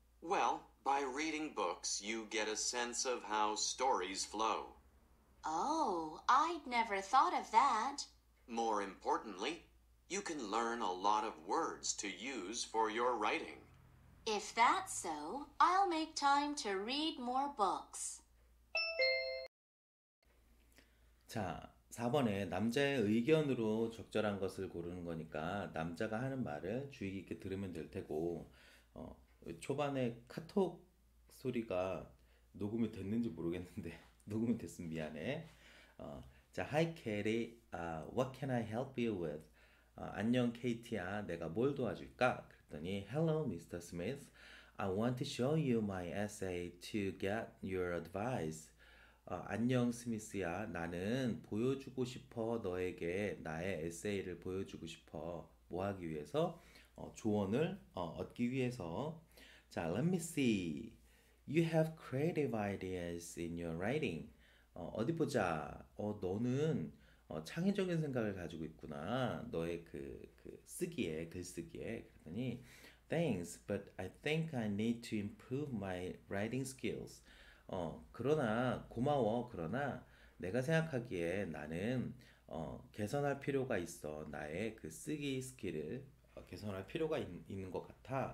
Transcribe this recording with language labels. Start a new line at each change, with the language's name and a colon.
English: Well, by reading books, you get a sense of how stories flow. Oh, I'd never thought of that. More importantly, you can learn a lot of words to use for your writing. If that's so, I'll make time to read more books.
Korean: 자, 4번에 남자의 의견으로 적절한 것을 고르는 거니까 남자가 하는 말을 주의 깊게 들으면 될 테고, 초반에 카톡 소리가 녹음이 됐는지 모르겠는데, 녹음이 됐으면 미안해.
English: 자, Hi, Katie. What can I help you with?
Korean: 안녕, KT야. 내가 뭘 도와줄까? 그랬더니,
English: Hello, Mr. Smith. I want to show you my essay to get your advice.
Korean: 안녕, 스미스야. 나는 보여주고 싶어. 너에게 나의 에세이를 보여주고 싶어. 뭐 하기 위해서? 조언을 얻기 위해서.
English: 자, Let me see. You have creative ideas in your writing.
Korean: 어디 보자. 너는 창의적인 생각을 가지고 있구나. 너의 그 쓰기에, 글쓰기에.
English: 그랬더니, Thanks, but I think I need to improve my writing skills.
Korean: 그러나, 고마워. 그러나, 내가 생각하기에 나는 개선할 필요가 있어. 나의 그 쓰기 스킬을 개선할 필요가 있는 것 같아.